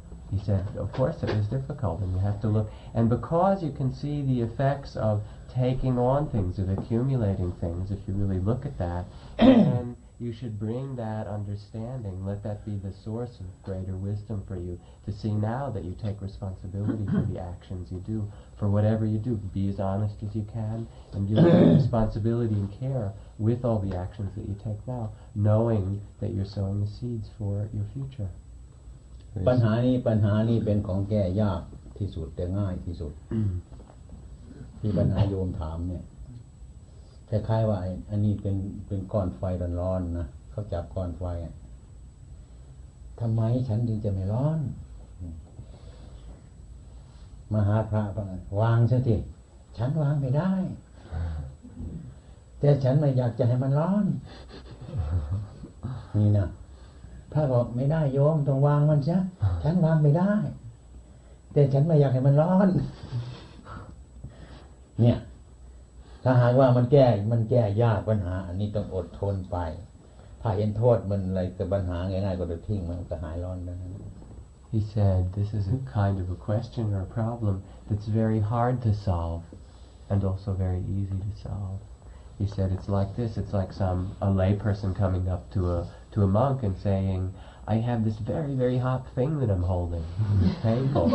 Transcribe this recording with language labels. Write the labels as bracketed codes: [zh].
[en] He said, of course it is difficult, and you have to look. And because you can see the effects of taking on things, of accumulating things, if you really look at that, then you should bring that understanding, let that be the source of greater wisdom for you, to see now that you take responsibility for the actions you do, for whatever you do. Be as honest as you can, and you have responsibility and care with all the actions that you take now, knowing that you're sowing the seeds for your future. [th] ปัญหานี้เป็นของแก้ยากที่สุดแต่ง่ายที่สุดที่ปัญหาโยมถามเนี่ยคล้ายๆว่าอันนี้เป็นก้อนไฟร้อนๆนะเขาจับก้อนไฟทำไมฉันถึงจะไม่ร้อน มหาพระวางซะทีฉันวางไม่ได้แต่ฉันไม่อยากจะให้มันร้อนนี่นะพระบอกไม่ได้โยมต้องวางมันซะฉันวางไม่ได้แต่ฉันไม่อยากให้มันร้อนเนี่ยถ้าหากว่ามันแก้ยากปัญหาอันนี้ต้องอดทนไปถ้าเห็นโทษมันอะไรกับปัญหาง่ายๆก็จะทิ้งมันก็หายร้อนนะ [en] He said this is a kind of a question or a problem that's very hard to solve and also very easy to solve He said it's like this it's like a lay person coming up to a monk and saying, I have this very, very hot thing that I'm holding. It's painful.